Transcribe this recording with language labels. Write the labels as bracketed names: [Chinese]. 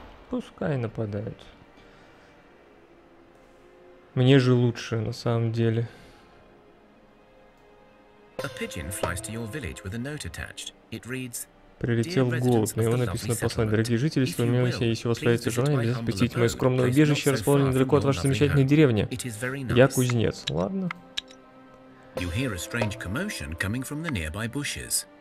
[Russian] Пускай нападают. Мне же лучше, на самом деле. [English] A pigeon flies to your village with a note attached. It reads: [Russian] Прилетел голубь, на его написано послание. Дорогие жители, если вы мне все, если у вас появится желание, обязательно посетить мое скромное убежище, расположенное далеко от вашей замечательной деревни. Я кузнец. Ладно. [English] You hear a strange commotion coming from the nearby bushes.